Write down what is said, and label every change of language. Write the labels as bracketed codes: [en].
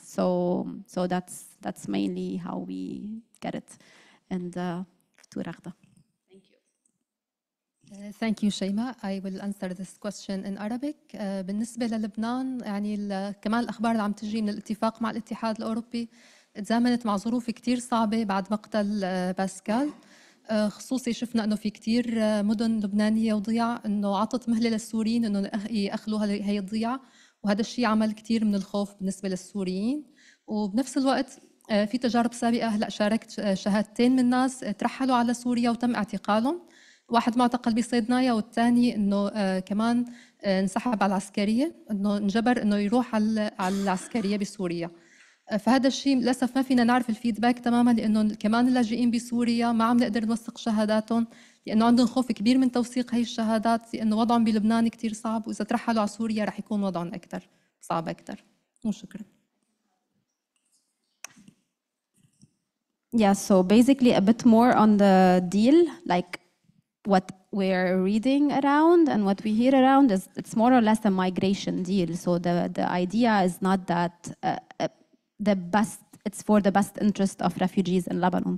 [en] So that's mainly how we get it. And to Ragda. Thank you. Thank you, Shaima. I will answer this question in Arabic. [ar] بالنسبة للبنان, يعني كمان الأخبار اللي عم تجي من الاتفاق مع الاتحاد الأوروبي تزامنت مع ظروف كتير صعبة بعد مقتل باسكال. خصوصي شفنا انه في كثير مدن لبنانيه وضيع, انه عطت مهله للسوريين انه ياخذوا هي الضيع, وهذا الشيء عمل كثير من الخوف بالنسبه للسوريين. وبنفس الوقت في تجارب سابقه, هلا شاركت شهادتين من ناس ترحلوا على سوريا وتم اعتقالهم, واحد معتقل بصيدنايا والثاني انه كمان انسحب على العسكريه, انه انجبر انه يروح على العسكريه بسوريا. فهذا الشيء للاسف ما فينا نعرف الفيدباك تماما, لانه كمان اللاجئين بسوريا ما عم نقدر نوثق شهاداتهم, لانه عندهم خوف كبير من توثيق هي الشهادات, لانه وضعهم بلبنان كثير صعب, واذا ترحلوا على سوريا راح يكون وضعهم اكثر صعب اكثر. وشكرا. [en] Yeah, so basically a bit more on the deal, like what we're reading around and what we hear around is it's more or less a migration deal. So the idea is not that the best, it's for the best interest of refugees in Lebanon.